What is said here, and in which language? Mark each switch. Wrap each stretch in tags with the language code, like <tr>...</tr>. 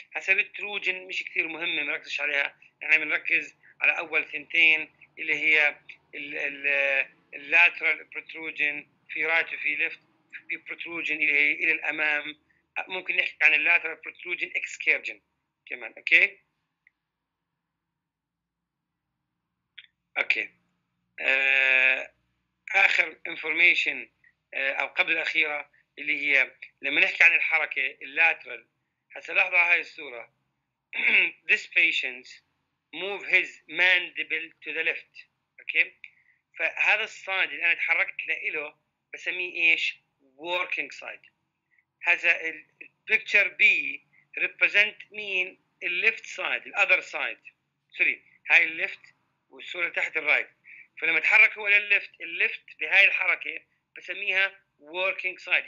<ar>هسه ريتروجين مش كثير مهمه نركزش عليها، يعني بنركز على اول ثنتين اللي هي اللاترال بروتروجين في رايت وفي ليفت، في بروتروجين اللي هي الى الامام، ممكن نحكي عن اللاترال بروتروجين اكسكيرجين كمان. اوكي اوكي، اخر انفورميشن او قبل الاخيره اللي هي لما نحكي عن الحركه اللاترال، هسه لاحظوا هاي الصورة.</ar> <en>This patient move his mandible to the left. Okay.</en> <ar>فهذا الصاد اللي أنا تحركت له بسميه إيش؟</ar> <en>Working side.</en> <ar>هذا ال</ar> <en>picture B represent mean the left side, the other side. Sorry.</en> <ar>هاي ال left والصورة تحت ال right. فلما تحرك هو لل left، ال left بهاي الحركة بسميها working side.</ar>